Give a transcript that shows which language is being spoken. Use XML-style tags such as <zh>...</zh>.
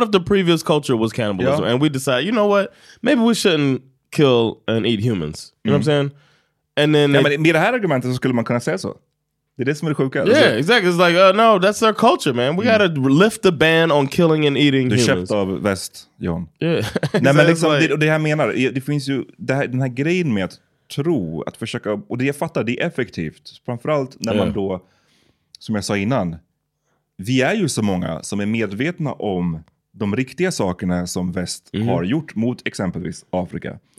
<en>What if the previous culture was cannibalism? Yeah. And we decide, you know what? Maybe we shouldn't kill and eat humans. You know what I'm saying? And then... Yeah, but</en> <sv>med det här argumentet så skulle man kunna säga så. Det är det som är det sjuka.</sv> <en>Yeah, exactly. It's like, no, that's our culture, man. We gotta lift the ban on killing and eating</en> <sv>du</sv> <en>humans.</en> <sv>Du köpt av väst, John.</sv> <en>Yeah.</en> <sv>Nej, men liksom, det här menar... Det finns ju det här, den här grejen med att tro, att försöka... Och det jag fattar, det är effektivt. Framförallt när man då, som jag sa innan... Vi är ju så många som är medvetna om de riktiga sakerna som väst har gjort mot exempelvis Afrika.</sv>